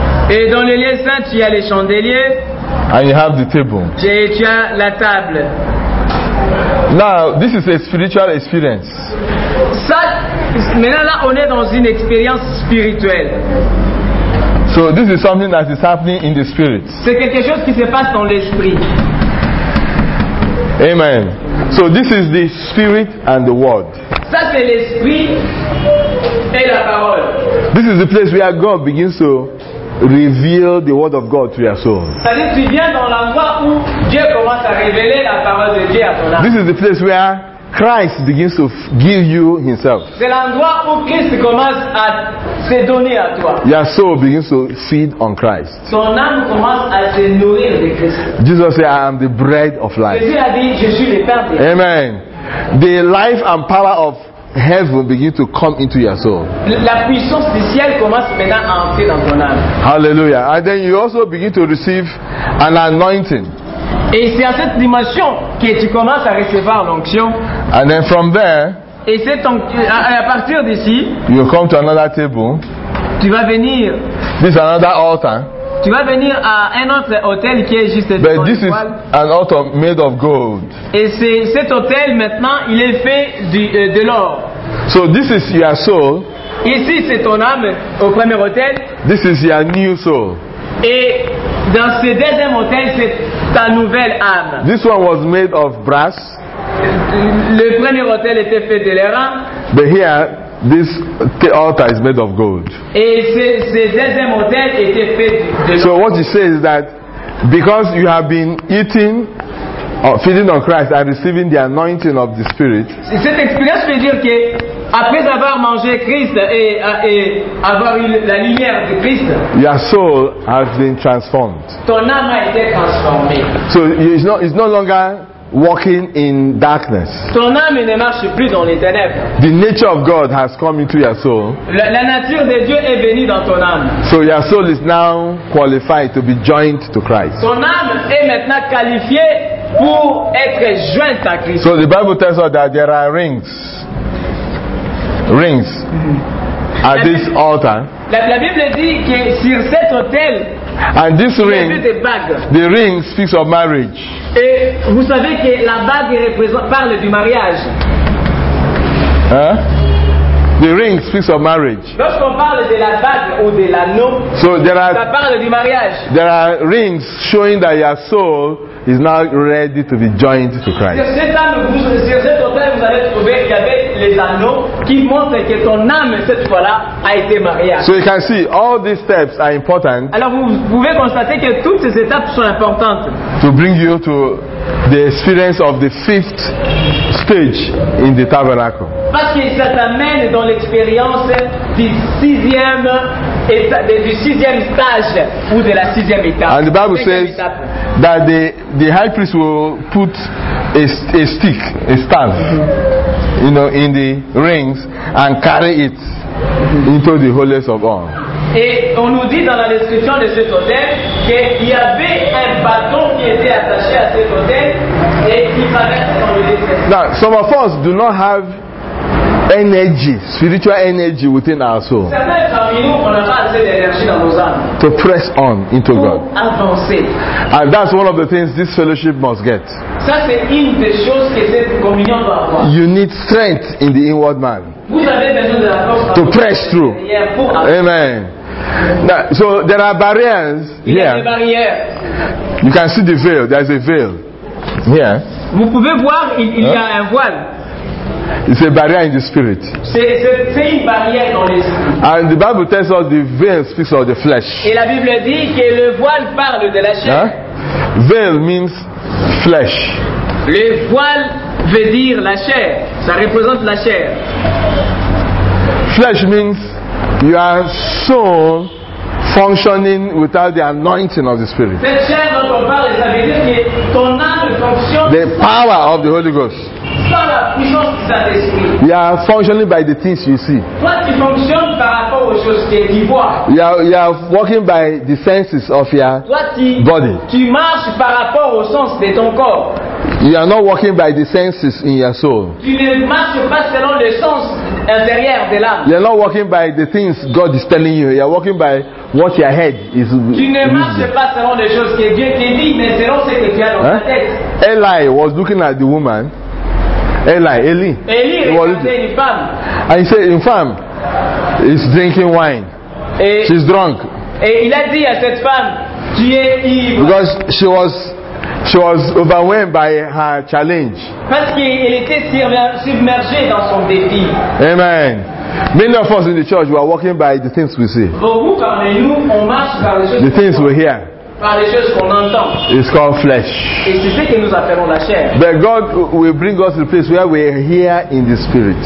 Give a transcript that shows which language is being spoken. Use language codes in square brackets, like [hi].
[fr] Et dans le lieu saint, tu as les chandeliers. [en] And you have the table. [fr] Tu as la table. [en] Now, this is a spiritual experience. [fr] Ça, maintenant là, on est dans une expérience spirituelle. [en] So this is something that is happening in the spirit. [fr] C'est quelque chose qui se passe dans l'esprit. Amen. [en] So this is the spirit and the word. [fr] Ça, c'est l'esprit et la parole. [en] This is the place where God begins to reveal the word of God to your soul. [fr] C'est-à-dire tu viens dans l'endroit où Dieu commence à révéler la parole de Dieu à ton âme. [en] This is the place where Christ begins to give you himself. [fr] C'est l'endroit où Christ commence à se donner à toi. [en] Your soul begins to feed on Christ. [fr] Ton âme commence à se nourrir de Christ. [en] Jesus said, I am the bread of life. [fr] Jésus a dit, je suis le pain de vie. Amen. [en] The life and power of heaven begin to come into your soul. [fr] La puissance du ciel commence maintenant à entrer dans ton âme. Hallelujah. [en] And then you also begin to receive an anointing. [fr] Et c'est à cette dimension que tu commences à recevoir l'onction. [en] And then from there, [fr] et c'est à partir d'ici, [en] you come to another table. [fr] Tu vas venir. [en] This is another altar. [fr] Tu vas venir à un autre hôtel qui est juste devant. [en] But this is an altar made of gold. [fr] Et cet hôtel maintenant, il est fait de l'or. [en] So this is your soul. [fr] Ici c'est ton âme au premier hôtel. [en] This is your new soul. [fr] Et dans ce deuxième hôtel, c'est ta nouvelle âme. [en] This one was made of brass. [fr] Le premier hôtel était fait de l'airain. [en] But here this altar is made of gold. [fr] Et ce deuxième hôtel était fait de l'or. [en] So what he says is that because you have been eating or feeding on Christ and receiving the anointing of the Spirit. [fr] Cette expérience veut dire que Après avoir mangé Christ et avoir eu la lumière de Christ, [en] your soul has been transformed. [fr] Ton âme a été transformée. [en] So it's no longer walking in darkness. [fr] Ton âme ne marche plus dans les ténèbres. [en] The nature of God has come into your soul. [fr] La nature de Dieu est venue dans ton âme. [en] So your soul is now qualified to be joined to Christ. [fr] Ton âme est maintenant qualifiée pour être jointe à Christ. [en] So the Bible tells us that there are rings mm-hmm. at this altar. [fr] La Bible dit que sur cet autel, [en] and this ring, the ring speaks of marriage. [fr] Et vous savez que la bague représente parle du mariage. [en] Hein? The ring speaks of marriage. [fr] Lorsqu'on parle de la bague ou de l'anneau, [en] so there are, [fr] ça parle du mariage. [en] There are rings showing that your soul is now ready to be joined to Christ. [fr] Sur cet autel, vous allez trouver qu'il y avait les anneaux qui montrent que ton âme cette fois-là a été mariée. [en] So you can see all these steps are important. [fr] Alors vous pouvez constater que toutes ces étapes sont importantes. [en] To bring you to the experience of the fifth stage in the tabernacle. [fr] Parce que ça t'amène dans l'expérience du sixième stage ou de la sixième étape. [en] And the Bible says that the high priest will put a staff. Mm-hmm. You know, in the rings and carry it into the holiest of all. [fr] Et on nous dit dans la description de cet hôtel qu'il y avait un bâton qui était attaché à cet hôtel et qui paraissait dans le désert. [en] Now, some of us do not have energy, spiritual energy within our soul. [fr] Certains parmi nous, on n'a pas assez d'énergie dans nos âmes. [en] To press on into God. [fr] Avancer. [en] And that's one of the things this fellowship must get. [fr] Ça, c'est une des choses que cette communion doit avoir. [en] You need strength in the inward man. [fr] Vous avez besoin de la force [en] to press through. [fr] Pour [en] amen. Now, so there are barriers here. [fr] Il y a des barrières. [en] You can see the veil. There is a veil here. [fr] Vous pouvez voir, il y a un voile. [en] It's a barrier in the spirit. [fr] C'est une barrière dans l'esprit. [en] And the Bible tells us the veil speaks of the flesh. [fr] Et la Bible dit que le voile parle de la chair. [en] Hein? Veil means flesh. [fr] Le voile veut dire la chair. Ça représente la chair. [en] Flesh means your soul functioning without the anointing of the spirit. [fr] Cette chair dont on parle, ça veut dire que ton âme fonctionne. [en] The power of the Holy Ghost. You are functioning by the things you see. You are walking by the senses of your body. [fr] Tu marches par rapport au sens de ton corps. [en] You are not walking by the senses in your soul. [fr] Tu ne marches pas selon le sens intérieur de l'âme. [en] You are not walking by the things God is telling you. You are walking by what your head is. [fr] Tu ne marches pas selon les choses que Dieu te dit, mais selon ce que tu as dans ta tête. [en] Eli was looking at the woman. Eli. [fr] Eli regardait une femme. [en] And he said, [fr] une femme [en] is drinking wine. [fr] Et [en] she's drunk. [fr] Et il a dit à cette femme, tu es ivre. [en] Because she was overwhelmed by her challenge. [fr] Parce qu'elle était submergée dans son défi. Amen. [en] Many of us in the church, we are walking by the things we see. [fr] Beaucoup parmi nous, on marche par les choses. [en] The things we hear. [fr] Par les choses qu'on entend. [en] It's called flesh. [fr] Et c'est ce que nous appelons la chair. [en] But God will bring us to the place where we are here in the spirit.